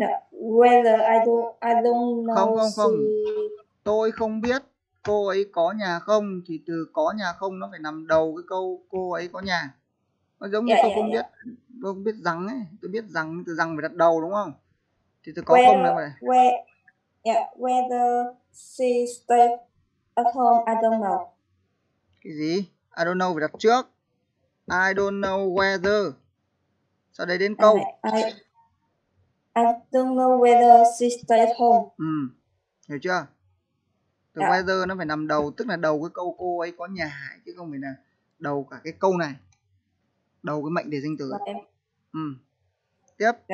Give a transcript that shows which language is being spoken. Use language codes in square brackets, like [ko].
[en] Whether I don't know. [vi] Không không không. Tôi không biết cô ấy có nhà không, thì từ có nhà không nó phải nằm đầu cái câu cô ấy có nhà. Nó giống như tôi không biết. Tôi không biết rằng ấy, tôi biết rằng, từ rằng phải đặt đầu đúng không? Thì từ có [en] whether, [vi] không nó phải. [en] Whether she stayed at home, I don't know. [vi] Cái gì? [en] I don't know [vi] phải đặt trước. [en] I don't know whether. [vi] Sau đấy đến câu. [en] I don't know whether she stayed at home. [vi] Ừ. Hiểu chưa? Từ whether nó phải nằm đầu, tức là đầu cái câu cô ấy có nhà, chứ không phải là đầu cả cái câu này. Đầu cái mệnh đề danh từ. Ừ. Tiếp.